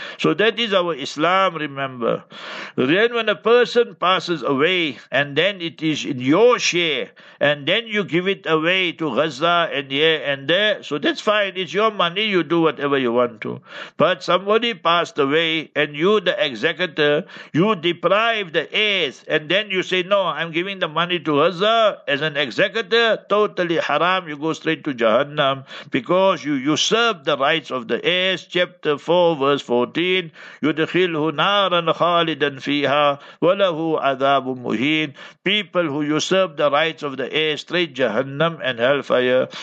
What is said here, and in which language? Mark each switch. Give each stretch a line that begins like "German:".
English: So that is our Islam, remember. Then when a person passes away, and then it is in your share, and then you give it away to Gaza, and here and there, so that's fine, it's your money, you do whatever you want to. But somebody passed away, and you, the executor, you deprive the heirs, and then you say, no, I'm giving the money to Gaza as an executor, totally haram, you go straight to Jahannam, because you usurp the rights of the heirs. Chapter 4, verse 14,
Arabic: يُدْخِلْهُ نَارًا خَالِدًا فِيهَا وَلَهُ عَذَابٌ مُهِينٌ.
English: People who usurp the rights of the heirs, straight Jahannam and hellfire.